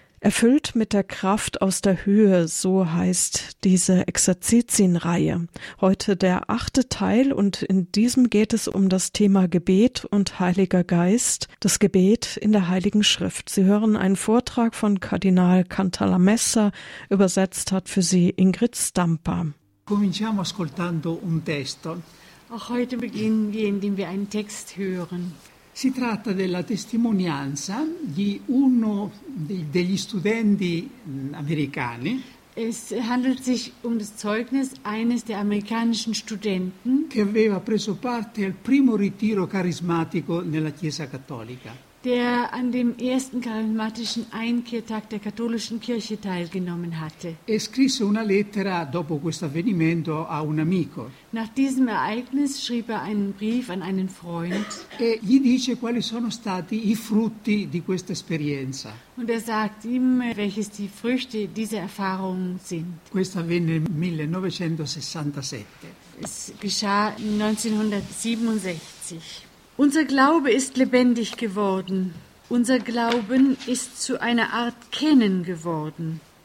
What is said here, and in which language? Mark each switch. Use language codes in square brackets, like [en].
[de] Erfüllt mit der Kraft aus der Höhe, so heißt diese Exerzitienreihe. Heute der 8. Teil, und in diesem geht es um das Thema Gebet und Heiliger Geist, das Gebet in der Heiligen Schrift. Sie hören einen Vortrag von Kardinal Cantalamessa, übersetzt hat für Sie Ingrid Stamper. [it] Cominciamo ascoltando un testo. [de] Auch heute beginnen wir, indem wir einen Text hören. [it] Si tratta della testimonianza di uno degli studenti americani. [de] Es handelt sich um das Zeugnis eines der amerikanischen Studenten, [it] che aveva preso parte al primo ritiro carismatico nella Chiesa Cattolica. [de] Der an dem ersten charismatischen Einkehrtag der katholischen Kirche teilgenommen hatte. [it] E scrisse una lettera dopo questo avvenimento a un amico. [de] Nach diesem Ereignis schrieb er einen Brief an einen Freund. [it] E gli dice quali sono stati i frutti di questa esperienza. [de] Und er sagt ihm, welches die Früchte dieser Erfahrungen sind. [it] Questo avvenne nel 1967. [de] Es geschah 1967. Unser Glaube ist lebendig geworden. Unser Glauben ist zu einer Art Kennen geworden.